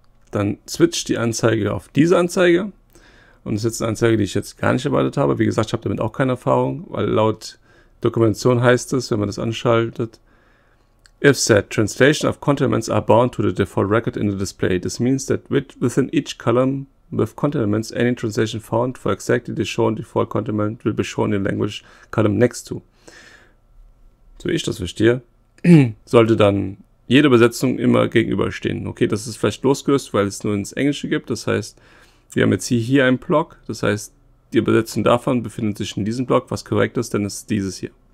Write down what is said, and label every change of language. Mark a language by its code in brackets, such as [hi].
[de] dann switcht die Anzeige auf diese Anzeige. Und das ist jetzt eine Anzeige, die ich jetzt gar nicht erwartet habe. Wie gesagt, ich habe damit auch keine Erfahrung, weil laut Dokumentation heißt es, wenn man das anschaltet, [en] if set, translation of contentments are bound to the default record in the display. This means that within each column with contentments, any translation found for exactly the shown default contentment will be shown in the language column next to. [de] So wie ich das verstehe, sollte dann jede Übersetzung immer gegenüberstehen. Okay, das ist vielleicht losgelöst, weil es nur ins Englische gibt. Das heißt, wir haben jetzt hier einen Block. Das heißt, die Übersetzung davon befindet sich in diesem Block. Was korrekt ist, denn es ist dieses hier.